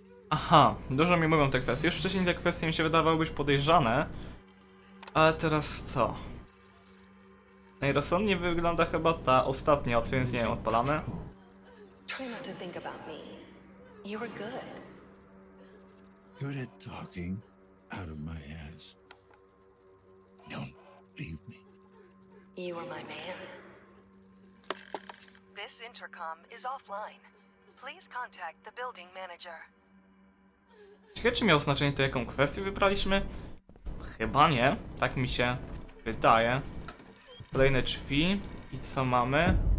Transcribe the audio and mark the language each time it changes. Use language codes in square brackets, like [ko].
[pl] Aha, dużo mi mówią te kwestie. Już wcześniej te kwestie mi się wydawały być podejrzane. Ale teraz co? Najrozsądniej wygląda chyba ta ostatnia opcja, więc nie wiem, odpalamy. [en] Try not to think about me. You were good. Good at talking out of my ass. Don't leave me. You are my man. This intercom is offline. Please contact the building manager. [pl] Ciekawe, czy miało znaczenie to, jaką kwestię wybraliśmy? Chyba nie, tak mi się wydaje. Kolejne drzwi. I co mamy?